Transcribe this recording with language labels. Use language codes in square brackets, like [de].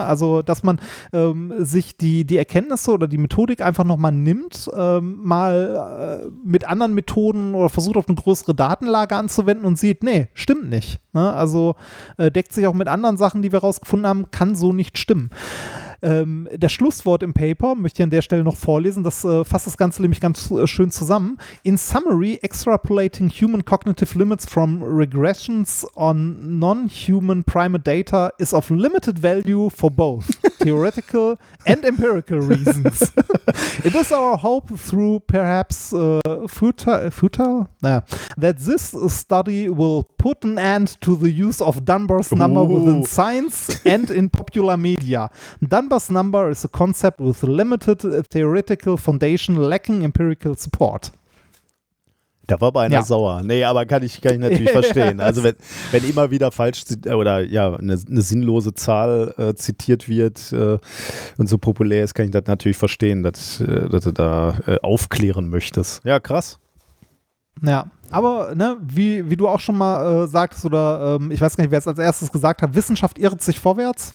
[de] Also, dass man sich die Erkenntnisse oder die Methodik einfach nochmal nimmt, mal mit anderen Methoden oder versucht auf eine größere Datenlage anzuwenden und sieht, nee, stimmt nicht. Ne? Also deckt sich auch mit anderen Sachen, die wir rausgefunden haben, kann so nicht stimmen. Das Schlusswort im Paper möchte ich an der Stelle noch vorlesen, das fasst das Ganze nämlich ganz schön zusammen. [en] In summary, extrapolating human cognitive limits from regressions on non-human primate data is of limited value for both theoretical and empirical reasons. It is our hope through perhaps futile, that this study will put an end to the use of Dunbar's number within science and in popular media. Dunbar's number is a concept with limited theoretical foundation lacking empirical support. [de] Da war aber einer sauer. Nee, aber kann ich natürlich verstehen. Also wenn immer wieder falsch oder ja eine sinnlose Zahl zitiert wird und so populär ist, kann ich das natürlich verstehen, dass du da aufklären möchtest. Ja, krass. Ja, aber ne, wie du auch schon mal sagst oder ich weiß gar nicht, wer es als erstes gesagt hat, Wissenschaft irrt sich vorwärts.